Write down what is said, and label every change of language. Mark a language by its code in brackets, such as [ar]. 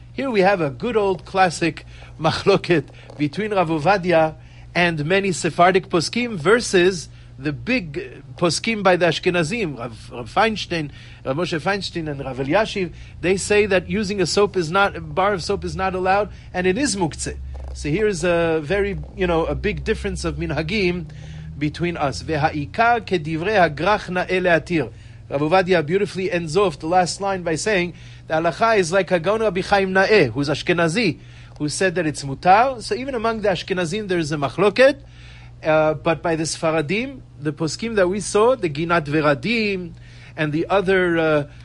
[en] Here we have a good old classic מחלוקת between Rav Ovadia and many Sephardic poskim versus the big poskim by the Ashkenazim, Rav Moshe Feinstein and Rav Eliashiv. They say that using a bar of soap is not allowed, and it is mukze. So here is a very, you know, a big difference of minhagim between us. [he] והעיקר כדברי הגרח נאה להתיר. [en] Rav Ovadia beautifully ends off the last line by saying the halacha is like Hagaon Rabbi Chaim Na'e, who's Ashkenazi, who said that it's mutar. So even among the Ashkenazim there is a machloket, but by the Sfaradim, the poskim that we saw, the Ginat Veradim and the other